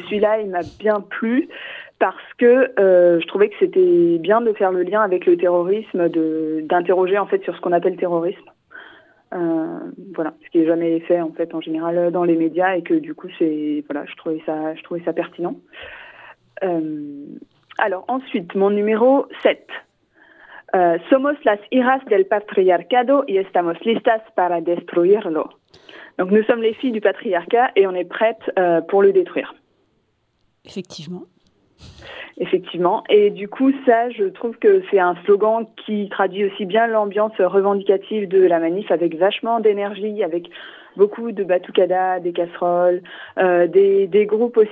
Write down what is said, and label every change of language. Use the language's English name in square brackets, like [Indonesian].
[French] Celui-là, il m'a bien plu parce que je trouvais que c'était bien de faire le lien avec le terrorisme, d'interroger en fait sur ce qu'on appelle terrorisme. Voilà, ce qui n'est jamais fait en fait en général dans les médias et que du coup, c'est voilà, je trouvais ça pertinent. Alors ensuite, mon numéro 7. [Spanish] Somos las hijas del patriarcado y estamos listas para destruirlo. [French] Donc nous sommes les filles du patriarcat et on est prêtes pour le détruire. Effectivement. Et du coup, ça, je trouve que c'est un slogan qui traduit aussi bien l'ambiance revendicative de la manif avec vachement d'énergie, avec beaucoup de batucada, des casseroles, des groupes aussi.